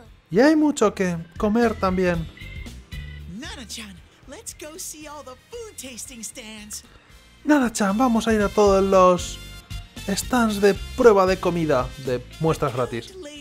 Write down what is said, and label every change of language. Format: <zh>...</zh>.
<es>Y hay mucho que comer también. Nanako-chan.</es> <en>Let's go see all the food tasting stands.</en> <es>Nanako-chan, vamos a ir a todos los stands de prueba de comida, de muestras gratis.</es>